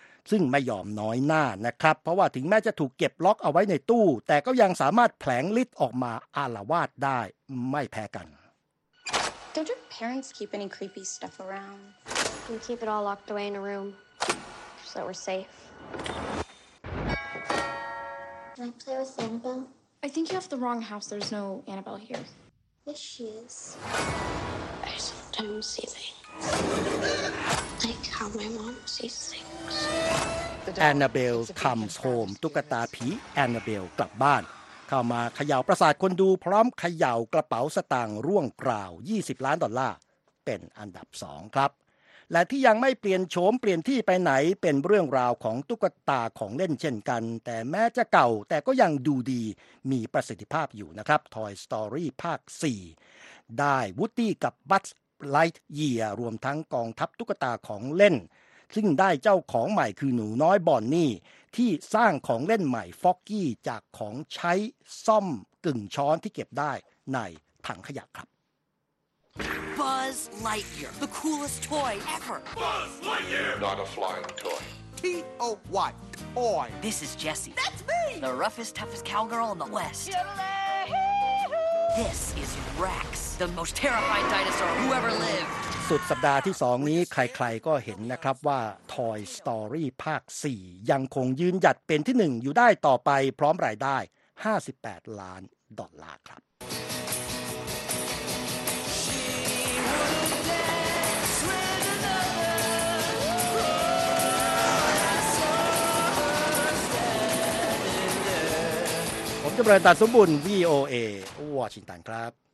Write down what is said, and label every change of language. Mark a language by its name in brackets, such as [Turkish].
[Thai] ซึ่งไม่ยอมน้อยหน้านะครับเพราะว่าถึงแม้จะถูกเก็บล็อกเอาไว้ในตู้แต่ก็ยังสามารถแผลงฤทธิ์ออกมาอาละวาดได้ไม่แพ้กัน [English] Don't your parents keep any creepy stuff around? We keep it all locked away in a room, so that we're safe. Can I play with Annabelle? I think you have the wrong house. There's no Annabelle here. Yes, she is. I sometimes see things. Like how my mom sees things. Annabelle comes home [Thai] ตุ๊กตาผี Annabelle กลับบ้านเข้ามาเขย่าประสาทคนดูพร้อมเขย่ากระเป๋าสตางค์ร่วงกราว20ล้านดอลลาร์เป็นอันดับ2ครับ และที่ยังไม่เปลี่ยนโฉมเปลี่ยนที่ไปไหนเป็นเรื่องราวของตุ๊กตาของเล่นเช่นกันแต่แม้จะเก่าแต่ก็ยังดูดีมีประสิทธิภาพอยู่นะครับ Toy Story ภาค4ได้ Woody กับ Buzz Lightyear รวมทั้งกองทัพตุ๊กตาของเล่นซึ่งได้เจ้าของใหม่คือหนูน้อยบอนนี่ที่สร้างของเล่นใหม่ Foggy จากของใช้ซ่อมกึ่งช้อนที่เก็บได้ในถังขยะครับ [English] Buzz Lightyear, the coolest toy ever. Buzz Lightyear, not a flying toy. T-O-Y, toy. This is Jessie. That's me. The roughest, toughest cowgirl in the West. This is Rex, the most terrified dinosaur who ever lived. [Thai] สุดสัปดาห์ที่2นี้ใครๆก็เห็นนะครับว่า Toy Story ภาค4ยังคงยืนหยัดเป็นที่1อยู่ได้ต่อไปพร้อมรายได้58ล้านดอลลาร์ครับจำเริญตัดสมบูรณ์ VOA วอชิงตันครับ